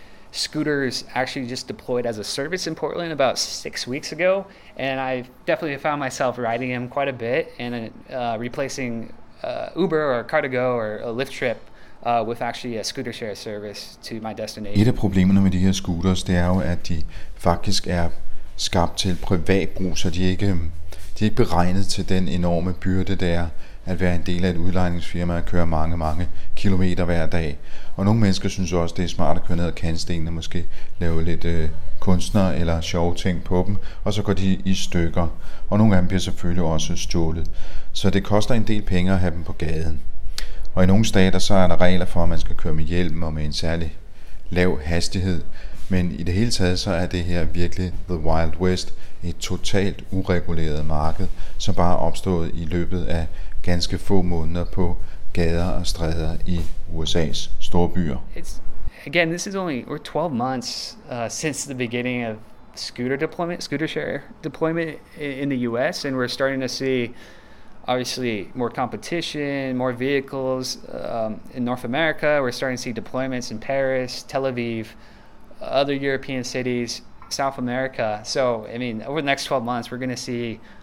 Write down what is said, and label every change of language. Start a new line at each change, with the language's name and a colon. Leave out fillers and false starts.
English: Scooters actually just deployed as a service in Portland about 6 weeks ago, and I definitely found myself riding them quite a bit and replacing Uber or Car2Go or a Lyft trip with actually a scooter share service to my destination.
Danish: Et af problemerne med de her scooters, det er jo, at de faktisk er skabt til privat brug, så de er ikke beregnet til den enorme byrde, det er at være en del af et udlejningsfirma og køre mange, mange kilometer hver dag. Og nogle mennesker synes også, det er smart at køre ned ad kantstenen og måske lave lidt kunstner eller sjove ting på dem, og så går de i stykker. Og nogle af dem bliver selvfølgelig også stjålet. Så det koster en del penge at have dem på gaden. Og i nogle stater, så er der regler for, at man skal køre med hjelm og med en særlig lav hastighed. Men i det hele taget, så er det her virkelig
English: The Wild West,
Danish: et totalt ureguleret marked, som bare er opstået i løbet af ganske få måneder på gader og stræder i USA's store byer.
English: Again, this is only, we're 12 months since the beginning of scooter share deployment in the US, and we're starting to see obviously more competition, more vehicles in North America. We're starting to see deployments in Paris, Tel Aviv, other European cities, South America. So, I mean, over the next 12 months, we're going to see